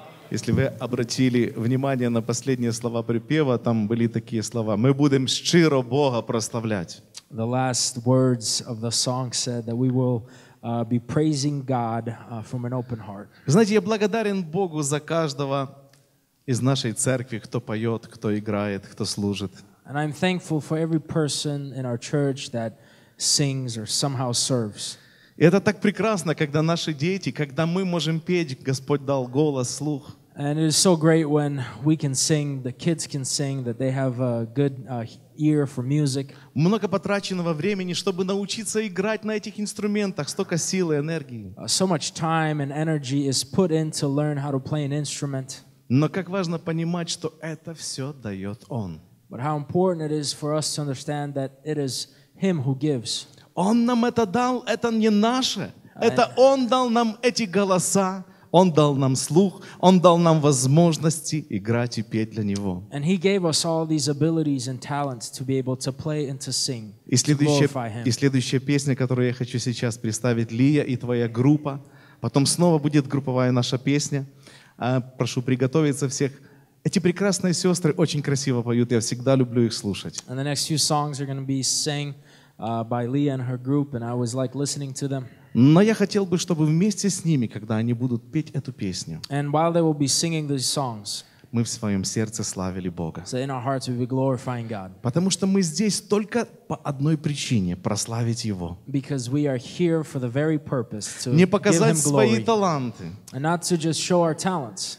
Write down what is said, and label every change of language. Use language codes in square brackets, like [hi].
[ru] Если вы обратили внимание на последние слова припева, там были такие слова: [uk] «Мы будем щиро Бога прославлять». [en] The last words of the song said that we will be praising God from an open heart. [ru] Знаете, я благодарен Богу за каждого из нашей церкви, кто поет, кто играет, кто служит. [en] And I'm thankful for every person in our church that sings or somehow serves. [ru] И это так прекрасно, когда наши дети, когда мы можем петь, Господь дал голос, слух. [en] And it is so great when we can sing, the kids can sing, that they have a good ear for music. [ru] Много потраченного времени, чтобы научиться играть на этих инструментах, столько сил и энергии. [en] So much time and energy is put in to learn how to play an instrument. [ru] Но как важно понимать, что это все дает Он. [en] But how important it is for us to understand that it is Him who gives. [ru] Он нам это дал, это не наше. Это Он дал нам эти голоса. Он дал нам слух, Он дал нам возможности играть и петь для Него. [en] And He gave us all these abilities and talents to be able to play and to sing, to glorify Him. [ru] И следующая песня, которую я хочу сейчас представить, Лия и твоя группа, потом снова будет групповая наша песня. Прошу приготовиться всех. Эти прекрасные сестры очень красиво поют, я всегда люблю их слушать. [en] And the next few songs are going to be sang by Lia and her group, and I always like listening to them. [ru] Но я хотел бы, чтобы вместе с ними, когда они будут петь эту песню, [en] and while they will be singing these songs, [ru] мы в своем сердце славили Бога. [en] So in our hearts we'll be glorifying God. [ru] Потому что мы здесь только по одной причине — прославить Его. [en] Because we are here for the very purpose to [ru] не показать [en] give Him [ru] свои [en] glory, [ru] таланты, [en] and not to just show our talents,